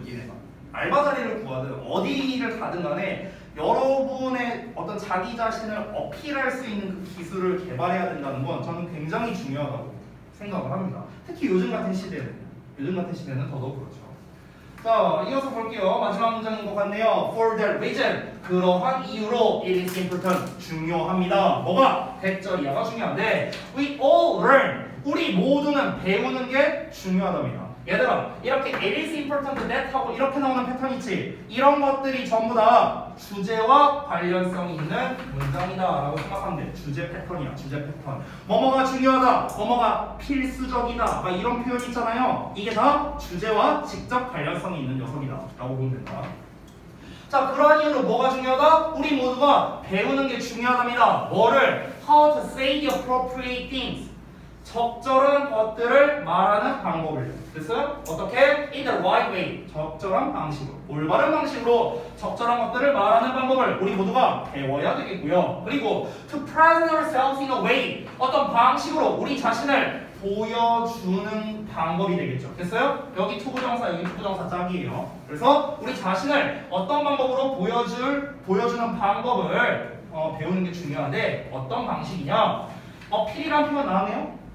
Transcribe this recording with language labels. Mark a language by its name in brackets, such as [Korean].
[Korean] 얘네가 알바 자리를 구하든 어디를 가든 간에 여러분의 어떤 자기 자신을 어필할 수 있는 그 기술을 개발해야 된다는 건 저는 굉장히 중요하다고 생각을 합니다. 특히 요즘 같은 시대는 더더욱 그렇죠. 자, 이어서 볼게요. 마지막 문장인 것 같네요. [English] For that reason, [Korean] 그러한 이유로 [English] It is important, [Korean] 중요합니다. 뭐가? 대절이야가 중요한데 [English] We all learn, [Korean] 우리 모두는 배우는 게 중요하답니다. 얘들아, 이렇게 [English] It is important that [Korean] 하고 이렇게 나오는 패턴 있지? 이런 것들이 전부 다 주제와 관련성이 있는 문장이다 라고 생각하면 돼. 주제 패턴이야, 주제 패턴. 뭐뭐가 중요하다, 뭐뭐가 필수적이다 막 이런 표현 있잖아요. 이게 다 주제와 직접 관련성이 있는 녀석이다 라고 보면 된다. 자, 그러한 이유로 뭐가 중요하다? 우리 모두가 배우는 게 중요하답니다. 뭐를? [English] How to say the appropriate things. [Korean] 적절한 것들을 말하는 방법을. 됐어요? 어떻게? [English] In the right way. [Korean] 적절한 방식으로. 올바른 방식으로 적절한 것들을 말하는 방법을 우리 모두가 배워야 되겠고요. [English] 그리고 to present ourselves in a way. [Korean] 어떤 방식으로 우리 자신을 보여주는 방법이 되겠죠. 됐어요? 여기 to 부정사, 여기 to 부정사 짝이에요. 그래서 우리 자신을 어떤 방법으로 보여주는 방법을 배우는 게 중요한데 어떤 방식이냐? 어필이란 표현 나왔네요.